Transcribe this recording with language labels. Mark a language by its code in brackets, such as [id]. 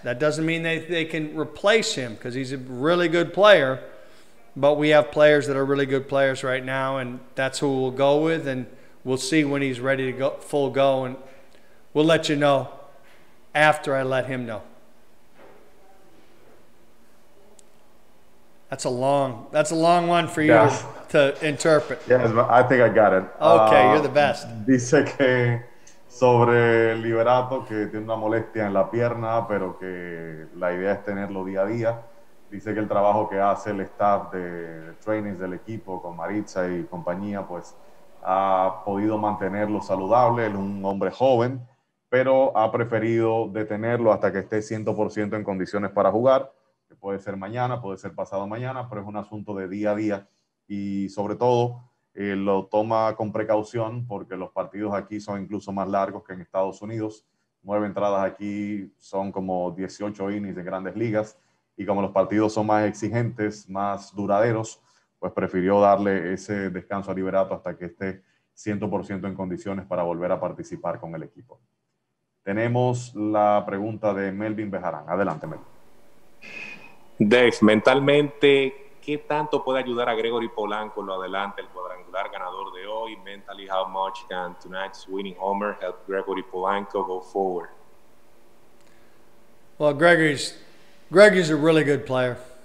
[en] That doesn't mean they can replace him because he's a really good player, but we have players that are really good players right now, and that's who we'll go with, and we'll see when he's ready to go full go, and we'll let you know after I let him know. That's a long one for you to interpret. Yes, I think I got it. Okay, you're the best. [es] Dice que sobre Liberato, que tiene una molestia en la pierna, pero que la idea es tenerlo día a día. Dice que el trabajo que hace el staff de trainings del equipo con Maritza y compañía, pues ha podido mantenerlo saludable. Él es un hombre joven, pero ha preferido detenerlo hasta que esté 100% en condiciones para jugar. Puede ser mañana, puede ser pasado mañana, pero es un asunto de día a día. Y sobre todo, lo toma con precaución porque los partidos aquí son incluso más largos que en Estados Unidos. 9 entradas aquí son como 18 innings de grandes ligas. Y como los partidos son más exigentes, más duraderos, pues prefirió darle ese descanso a Liberato hasta que esté 100% en condiciones para volver a participar con el equipo. Tenemos la pregunta de Melvin Bejarán. Adelante, Melvin. Dex, mentalmente, ¿qué tanto puede ayudar a Gregory Polanco en lo adelante, el cuadrangular ganador de hoy? [en] Mentally, how much can tonight's winning homer help Gregory Polanco go forward? Well, Gregory's a really good player.